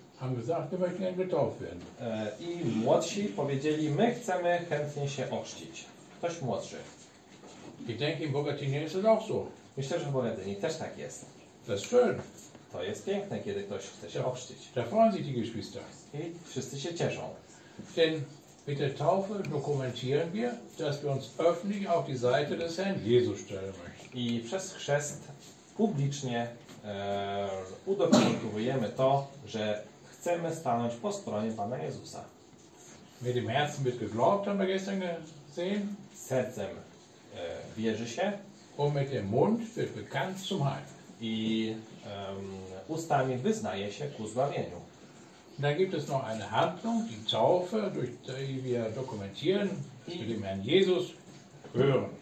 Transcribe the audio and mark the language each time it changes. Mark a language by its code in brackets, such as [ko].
[de] haben gesagt, wir möchten gerne getauft werden. [pl] I młodsi powiedzieli, my chcemy chętnie się ochrzcić. Ktoś młodszy. [de] Ich denke, in Bogatynie ist es auch so. [pl] Myślę, że w Bogatynie też tak jest. [de] Das ist schön. [pl] To jest piękne, kiedy ktoś chce się ochrzcić. [de] Da freuen sich die Geschwister. [pl] I wszyscy się cieszą. [de] Denn mit der Taufe dokumentieren wir, dass wir uns öffentlich auf die Seite des Herrn Jesus stellen möchten. [pl] I przez chrzest publicznie udokumentujemy to, że chcemy stanąć po stronie Pana Jezusa. [de] Mit dem Herzen wird geglaubt, haben wir gestern gesehen. [pl] Sercem wierzy się. [de] Und mit dem Mund wird bekannt zum Heil. [pl] I ustami wyznaje się ku zbawieniu. [de] Da gibt es noch eine Handlung, die Taufe, durch die wir dokumentieren, zu dem Herrn Jesus hören.